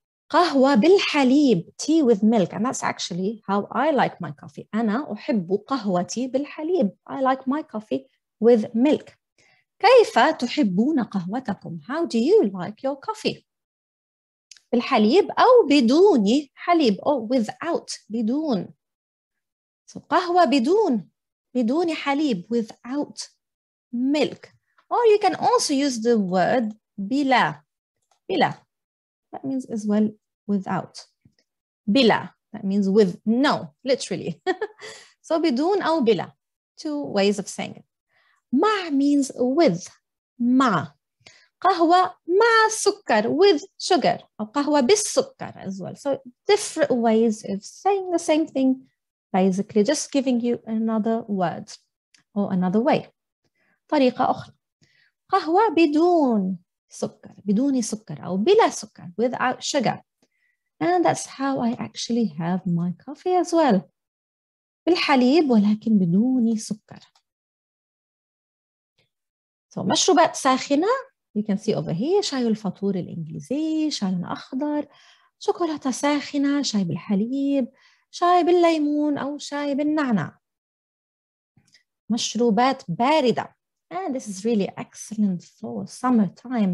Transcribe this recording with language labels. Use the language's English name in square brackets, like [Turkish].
[Arabic] Qahwa bil halib, [English] tea with milk. And that's actually how I like my coffee. [Arabic] Ana uhibbu qahwati bil halib. [English] I like my coffee with milk. [Arabic] Kayfa tuhibbuna qahwatakum. [English] How do you like your coffee? [Arabic] بالحليب أو بدون حليب أو without بدون. So قهوة بدون بدون حليب [English] without milk. Or you can also use the word بلا. [Arabic] بلا. [English] That means as well without. [Arabic] بلا. [English] That means with no, literally. [Arabic] So بدون أو بلا. [English] Two ways of saying it. مع means with. [Arabic] مع. قهوة مع سكر, [English] with sugar. [Arabic] أو قهوة بالسكر as well. [English] So different ways of saying the same thing, basically just giving you another word or another way. [Arabic] طريقة أخرى. قهوة بدون سكر, بدون سكر أو بلا سكر, [English] without sugar. And that's how I actually have my coffee as well. [Arabic] بالحليب ولكن بدون سكر. So مشروبات ساخنة. [English] You can see over here, [Arabic] شاي الفطور الإنجليزي, شاي الأخضر, شوكولاتة ساخنة, شاي بالحليب, شاي بالليمون أو شاي بالنعنع. مشروبات باردة. [English] Ah, this is really excellent for summertime.